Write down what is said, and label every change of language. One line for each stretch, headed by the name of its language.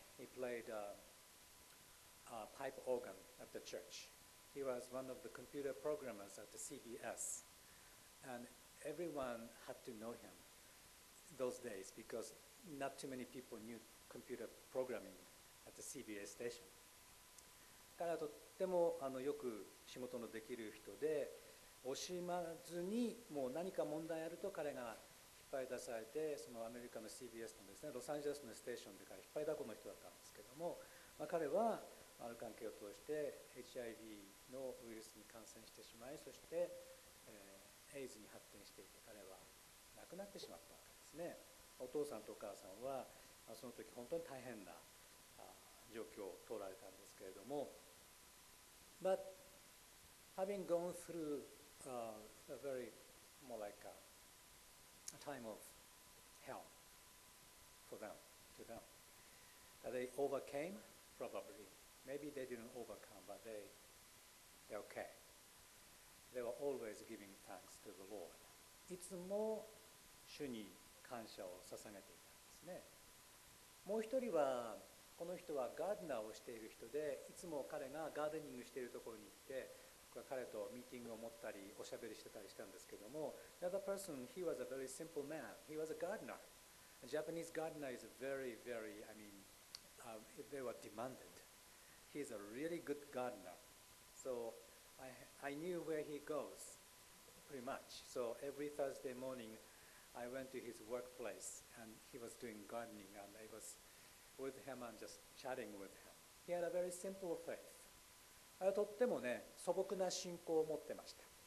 English: He played a pipe organ at the church. He was one of the computer programmers at the CBS. And everyone had to know him those days because not too many people knew computer programming at the CBS station.
Japanese: 彼はとってもよく仕事のできる人で、惜しまずにもう何か問題あると彼が引っ張り出されて、そのアメリカの CBS のですね、ロサンゼルスのステーションで彼引っ張りだこの人だったんですけども、まあ、彼はある関係を通して HIV のウイルスに感染してしまい、そして、AIDS に発展していて、彼は亡くなってしまったわけですね。お父さんとお母さんは、まあ、その時本当に大変な状況を通られたんですけれども、
English: But having gone through a very more like a time of hell for them, to them. They overcame, probably. Maybe they didn't overcome, but they're okay. They were always giving thanks to the Lord.
Japanese: いつも主に感謝を捧げていたんですね。もう一人は、この人はガーデナーをしている人で、いつも彼がガーデニングしているところに行って、彼とミーティングを持ったりおしゃべりしてたりしたんですけども、
English: The other person, he was a very simple man. He was a gardener. A Japanese gardener is very, very, I mean, they were demanded. He's a really good gardener. So I knew where he goes. pretty much. So every Thursday morning, I went to his workplace, and he was doing gardening, and I was with him and just chatting with him. He had a very simple faith.
Japanese: とってもね、素朴な信仰を持ってました。